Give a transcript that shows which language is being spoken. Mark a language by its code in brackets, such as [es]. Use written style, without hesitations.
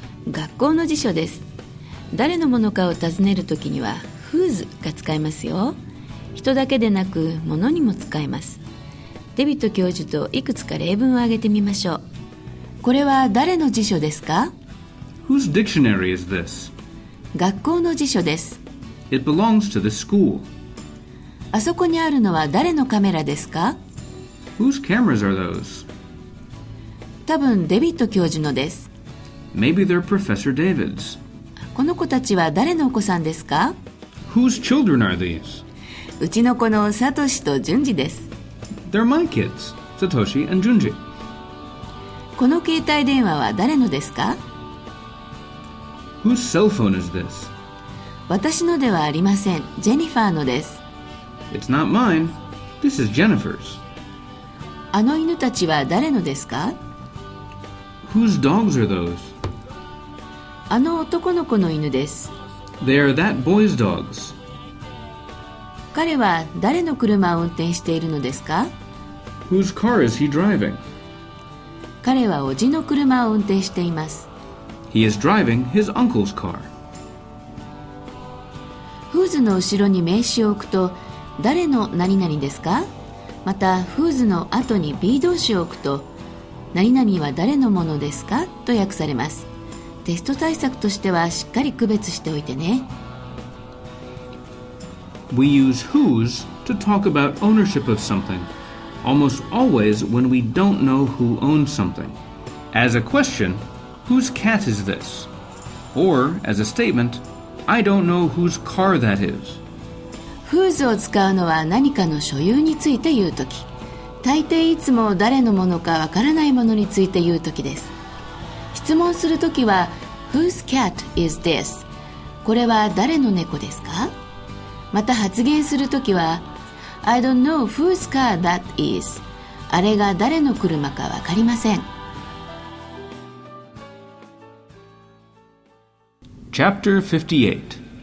[ja] 学校の辞書です。誰のものかを尋ねるときには whose が使えますよ。人だけでなく物にも使えます。デビット教授といくつか例文を挙げてみましょう。これは誰の辞書ですか？ [en] Whose dictionary is this? [ja] 学校の辞書です。 [en] It belongs to the school. [ja] あそこにあるのは誰のカメラですか？ [en] Whose cameras are those? [ja] 多分デビット教授のです。 [en] Maybe they're Professor David's. [ja] この子たちは誰のお子さんですか？ [en] Whose children are these? [ja] うちの子のサトシとジュンジです。 [en] They're my kids, Satoshi and Junji. [ja] この携帯電話は誰のですか？ [en] Whose cell phone is this? [ja] 私のではありません。ジェニファーのです。 [en] It's not mine, this is Jennifer's. [ja] あの犬たちは誰のですか？ [en] Whose dogs are those? [ja] あの男の子の犬です。 [en] They are that boy's dogs. [ja] 彼は誰の車を運転しているのですか? [en] Whose car is he driving? [ja] 彼はおじの車を運転しています。 [en] He is driving his uncle's car. [ja] Whose の後ろに名詞を置くと、誰の何々ですか? また、Whose の後に be 動詞を置くと、何々は誰のものですかと訳されます。テスト対策としてはしっかり区別しておいてね。 [en] We use whose to talk about ownership of something almost always when we don't know who owns something. As a question, whose cat is this? Or as a statement, I don't know whose car that is. [ja] Whose を使うのは何かの所有について言うとき、大抵いつも誰のものかわからないものについて言うときです。質問するときは [en] Whose cat is this? [ja] これは誰の猫ですか？また発言するときは [en] I don't know whose car that is. [ja] あれが誰の車かわかりません。 [en] Chapter 58